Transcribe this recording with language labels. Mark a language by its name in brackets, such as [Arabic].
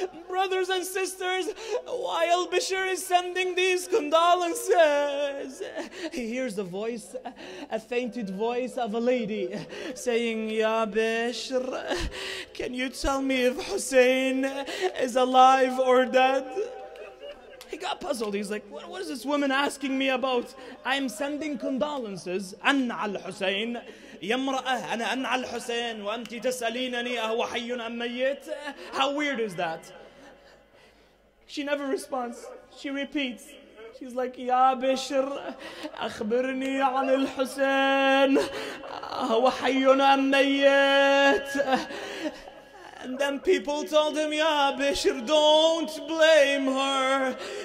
[English] Brothers and sisters, while Bishr is sending these condolences, he hears a voice, a fainted voice of a lady saying, Ya Bishr, can you tell me if Hussein is alive or dead? He got puzzled. He's like, what is this woman asking me about? I'm sending condolences. [Arabic] أنا على الحسين. يا امرأة أنا أنا على الحسين وأنت تسألينني أهو حي أم ميت. [English] How weird is that? She never responds. She repeats. She's like, [Arabic] Ya Bishr, أخبرني عن الحسين أهو حي أم ميت. [English] And then people told him, Ya Bishr, don't blame her.